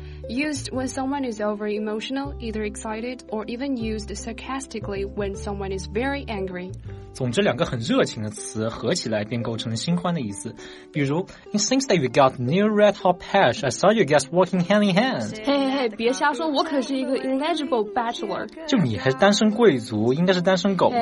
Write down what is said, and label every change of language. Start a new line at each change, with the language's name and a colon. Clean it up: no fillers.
English: Used when someone is over emotional, either excited, or even used sarcastically when someone is very angry.
Chinese: 总之两个很热情的词合起来便构成了新欢的意思。比如
English: ,It seems that we got new red hot patch. I saw you guys walking hand in hand.
Chinese: 嘿嘿嘿，别瞎说，我可是一个
English: ineligible bachelor.
Chinese: 就你还是单身贵族，应该是单身狗吗？